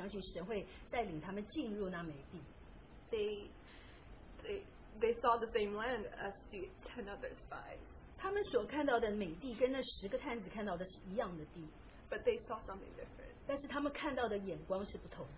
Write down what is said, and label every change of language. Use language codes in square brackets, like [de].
[zh] 只有约书亚跟加勒相信神给他们的应许，并且他们也相信神会带领他们进入那美地。 [en] They saw the same land as the 10 other spies. [zh] 他们所看到的美地跟那十个探子看到的是一样的地。 [en] But they saw something different. [zh] 但是他们看到的眼光是不同。